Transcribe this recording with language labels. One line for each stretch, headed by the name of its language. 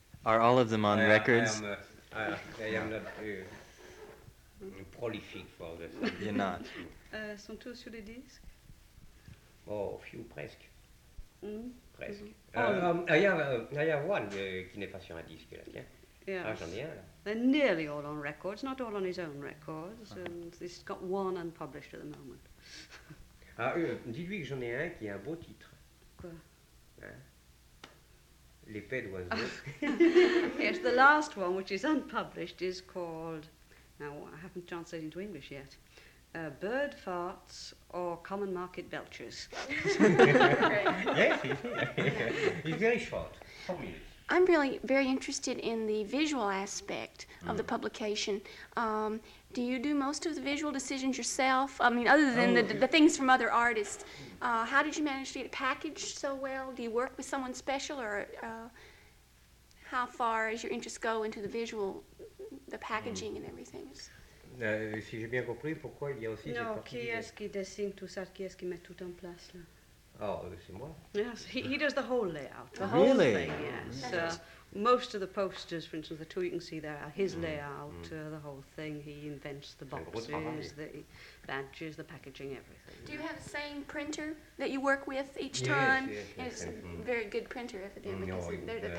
English: Are all of them on records? I am not prolific for this. You're not.
French: Sont tous sur les disques? Oh, few, presque. Mm-hmm. Presque. Mm-hmm.
English: I have one
French: qui n'est pas sur un disque, là, tiens.
English: Yes. They're nearly all on records, not all on his own records, and he's got one unpublished at the moment.
French: Ah, dis-lui que j'en ai un qui a un beau titre. Quoi? L'épée d'oiseau.
English: Yes, the last one, which is unpublished, is called, now I haven't translated into English yet, Bird Farts or Common Market Belches. Yes, he's very short, 4 minutes. I'm really very interested in the visual aspect of the publication. Do you do most of the visual decisions yourself? I mean, other than the things from other artists, how did you manage to get it packaged so well? Do you work with someone special, or how far does your interest go into the visual, the packaging and everything?
French: Si j'ai bien compris, pourquoi il y a aussi cette partie? No, qui est-ce qui dessine tout ça? Qui est-ce qui met tout en place là? Oh, c'est moi.
English: Yes, he does the whole layout. The whole really? Thing, yes. Most of the posters, for instance, the two you can see there, are his layout, the whole thing. He invents the boxes, the badges, the packaging, everything. Do you have the same printer that you work with each time? Yes, yes. It's a very good printer, evidently, because the